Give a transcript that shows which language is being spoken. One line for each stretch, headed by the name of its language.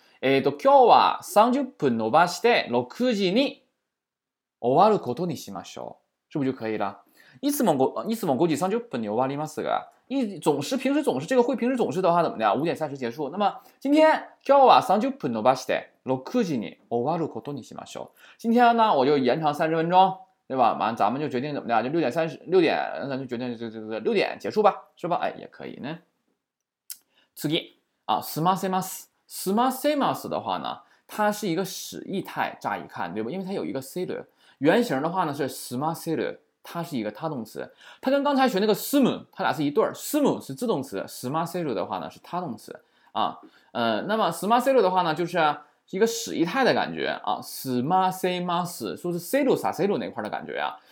Japanese: 今日は30分伸ばして6時に終わることにしましょう。
Chinese: 是不是就可以了？
Japanese: いつも5時30分に終わりますが，
Chinese: 总是平时总是这个会平时总是的话怎么的？5点30结束。
Japanese: 那么今日は30分伸ばして6時に終わることにしましょう。
Chinese: 今天呢，我就延长30分钟，对吧？完，咱们就决定怎么的，就6:30，6点，咱就决定就6点结束吧，是吧？哎，也可以呢。次ぎ啊，すませます。すませます的话呢，它是一个使役态，乍一看，对吧？因为它有一个する。原型的话呢是すませる，它是一个他动词。它跟刚才学那个すむ，它俩是一对儿。すむ是自动词，すませる的话呢是他动词啊。那么すませる的话呢，就是一个使役态的感觉啊。すませます说是せるさせる那块的感觉啊。